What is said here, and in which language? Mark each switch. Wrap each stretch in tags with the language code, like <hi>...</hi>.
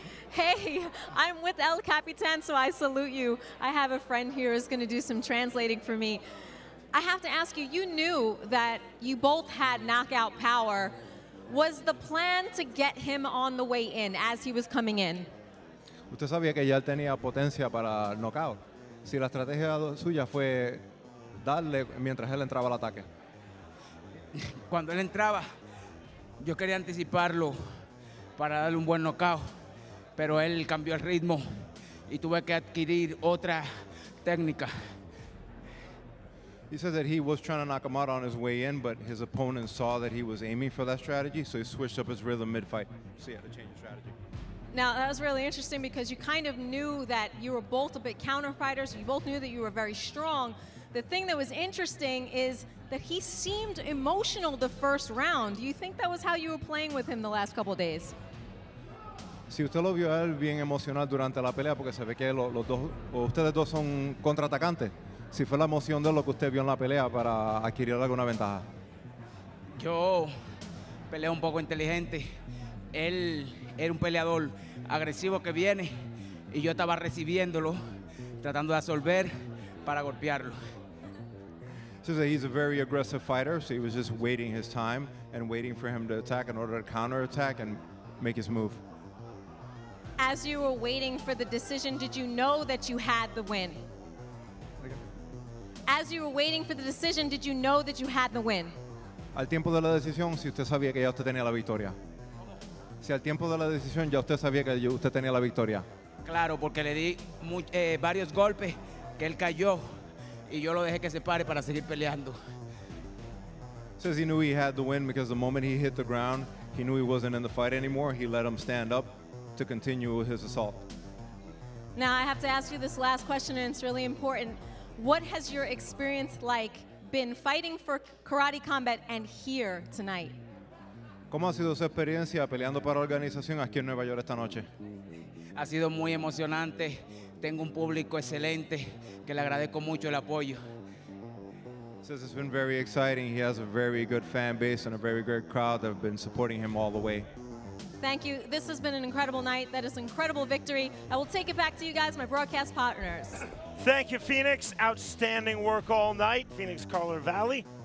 <en>Hey, I'm with El Capitan, so I salute you. I have a friend here who's going to do some translating for me. I have to ask you, you knew that you both had knockout power. Was the plan to get him on the way in as he was coming in?</en> <es>Usted sabía que ya él tenía potencia para knockout. Si la estrategia suya fue darle mientras él entraba al ataque. Cuando él entraba, yo quería anticiparlo para darle un buen knockout, pero él cambió el ritmo y tuve que adquirir otra técnica.</es> <en>He said that he was trying to knock him out on his way in, but his opponent saw that he was aiming for that strategy, so he switched up his rhythm mid-fight. So he had to change the strategy. Now, that was really interesting because you kind of knew that you were both a bit counter fighters. You both knew that you were very strong. The thing that was interesting is that he seemed emotional the first round. Do you think that was how you were playing with him the last couple of days?</en> <es>Si usted lo vio a él bien emocional durante la pelea, porque se ve que los dos, ustedes dos son contraatacantes. Si fue la emoción de lo que usted vio en la pelea para adquirir alguna ventaja. Yo peleé un poco inteligente. Él era un peleador agresivo que viene y yo estaba recibiéndolo, tratando de absorber para golpearlo.</es> <en>So he's a very aggressive fighter, so he was just waiting his time and waiting for him to attack in order to counterattack and make his move. As you were waiting for the decision, did you know that you had the win? As you were waiting for the decision, did you know that you had the win?</en> <es>Al tiempo de la decisión, si usted sabía que ya usted tenía la victoria. Si al tiempo de la decisión ya usted sabía que usted tenía la victoria. Claro, porque le di varios golpes que él cayó y yo lo dejé que se pare para seguir peleando.</es> <en>Says he knew he had the win because the moment he hit the ground, he knew he wasn't in the fight anymore. He let him stand up to continue his assault. Now I have to ask you this last question, and it's really important. What has your experience like been fighting for Karate Combat and here tonight?</en> <es>¿Cómo ha sido su experiencia peleando para la organización aquí en Nueva York esta noche? Ha sido muy emocionante. Tengo un público excelente que le agradezco mucho el apoyo.</es> <en>Says it's been very exciting. He has a very good fan base and a very great crowd that have been supporting him all the way. Thank you. This has been an incredible night. That is an incredible victory. I will take it back to you guys, my broadcast partners. Thank you, Phoenix. Outstanding work all night. Phoenix Carlervalli.</en>